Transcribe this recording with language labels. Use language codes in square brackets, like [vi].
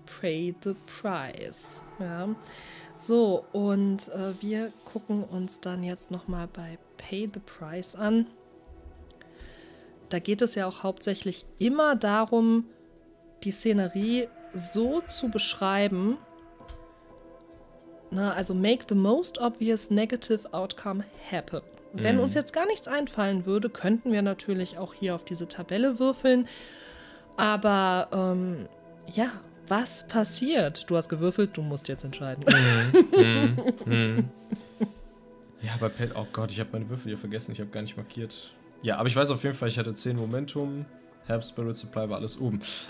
[en] Pay the price. Ja. [de] So, und wir gucken uns dann jetzt nochmal bei Pay the Price an. Da geht es ja auch hauptsächlich immer darum, die Szenerie so zu beschreiben. Na, also [en] make the most obvious negative outcome happen. [de] Wenn uns jetzt gar nichts einfallen würde, könnten wir natürlich auch hier auf diese Tabelle würfeln. Aber ja, was passiert? Du hast gewürfelt, du musst jetzt entscheiden. Ja, bei Pet, oh Gott, ich habe meine Würfel hier vergessen, ich habe gar nicht markiert. Ja, aber ich weiß auf jeden Fall, ich hatte 10 Momentum, Half Spirit Supply war alles oben.